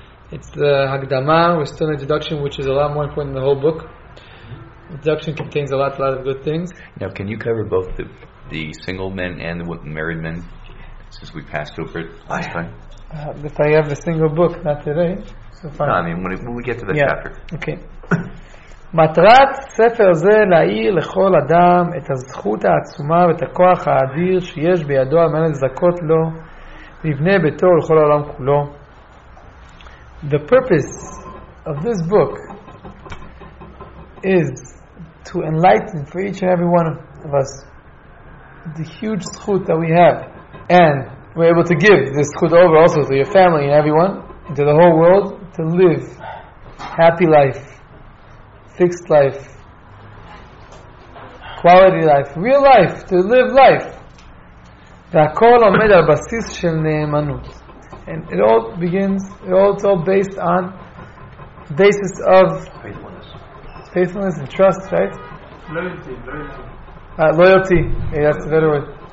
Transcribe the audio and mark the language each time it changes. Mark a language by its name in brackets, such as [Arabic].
[English] It's the Hagdama, we're still in the introduction, which is a lot more important than the whole book. The introduction contains a lot of good things. Now, can you cover both the single men and the married men, since we passed over it last time? If I have the single book, not today. So far. No, I mean, when we get to the chapter. Okay. [Hebrew] מטרת ספר זה להאיר לכל אדם את הזכות העצומה ואת הכוח האדיר שיש בידו על מנת לזכות לו ויבנה ביתו לכל העולם כולו. [English] The purpose of this book is to enlighten for each and every one of us the huge זכות that we have, and we're able to give this זכות over also to your family and everyone and to the whole world to live happy life, fixed life, quality life, real life, to live life. והכל עומד על בסיס של נאמנות. And it all begins, it's all based on basis of faithfulness and trust, right? Loyalty. Hey, that's the better word.